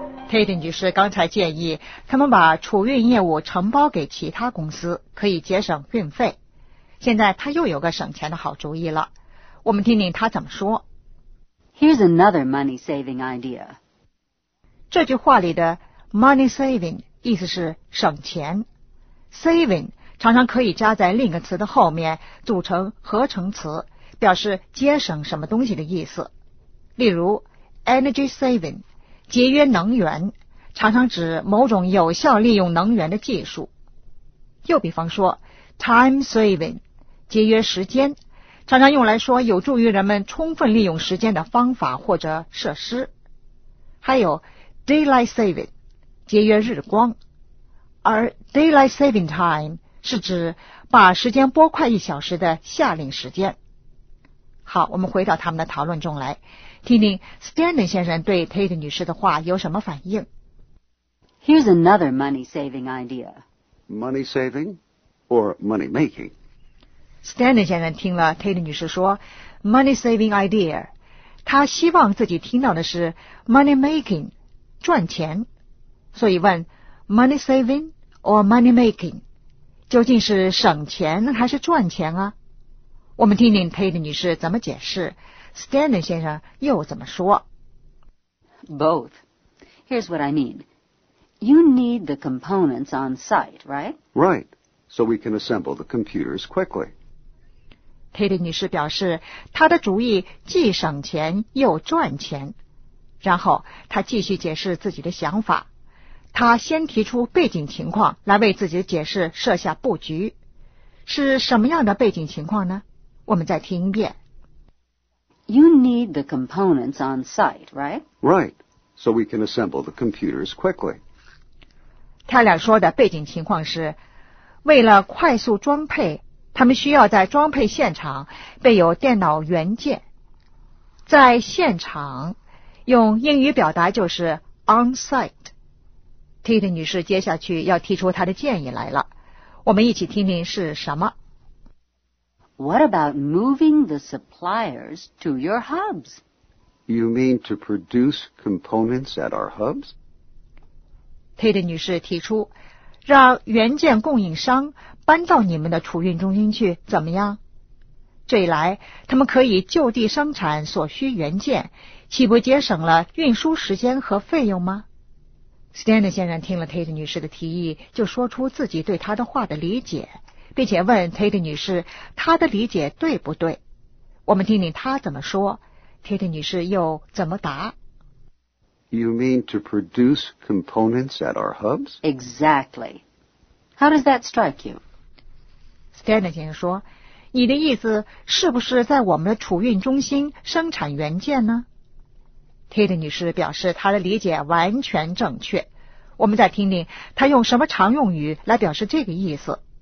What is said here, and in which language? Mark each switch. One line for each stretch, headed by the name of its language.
Chinese: Tatum 女士刚才建议他们把储运业务承包给其他公司，可以节省运费。现在他又有个省钱的好主意了，我们听听他怎么说。
English: Here's another money-saving idea.
Chinese: 这句话里的 money-saving 意思是省钱。 saving 常常可以加在另一个词的后面，组成合成词，表示节省什么东西的意思。例如 energy saving 节约能源，常常指某种有效利用能源的技术。又比方说 time saving 节约时间，常常用来说有助于人们充分利用时间的方法或者设施。还有 daylight saving 节约日光，而 daylight saving time 是指把时间拨快一小时的夏令时间。好，我们回到他们的讨论中来，听听 Stanley 先生对 Tate 女士的话有什么反应。
English: Here's another money-saving idea. Money-saving or money-making?
Chinese: Stanley 先生听了 Tate 女士说
English: money-saving idea，
Chinese: 他希望自己听到的是 money-making， 赚钱，所以问
English: money-saving or money-making，
Chinese: 究竟是省钱还是赚钱啊？我们听听 Tate 女士怎么解释， Stanley 先生又怎么说。
English: Both. Here's what I mean. You need the components on site, right? Right. So we can assemble the computers quickly.
Chinese: Tate 女士表示她的主意既省钱又赚钱，然后她继续解释自己的想法。她先提出背景情况来为自己的解释设下布局。是什么样的背景情况呢？我们再听一遍。 You need the components on site, right? Right. So we can assemble the computers quickly. 他俩说的背景情况是，为了快速装配，他们需要在装配现场备有电脑元件。在现场，用英语表达就是 on site. Tate 女士接下去要提出她的建议来了，我们一起听听是什么。
English: What about moving the suppliers to your hubs? You mean to produce components at our hubs?
Chinese: Tate 女士提出，让元件供应商搬到你们的储运中心去，怎么样？这一来，他们可以就地生产所需元件，岂不节省了运输时间和费用吗？ Stanley 先生听了 Tate 女士的提议，就说出自己对她的话的理解，并且问 Tate 女士她的理解对不对。我们听听她怎么说， Tate 女士又怎么答。
English: You mean to produce components at our hubs? Exactly. How does that strike you?
Chinese: Stanley 先生说，你的意思是不是在我们的储运中心生产元件呢？ Tate 女士表示她的理解完全正确。我们再听听她用什么常用语来表示这个意思。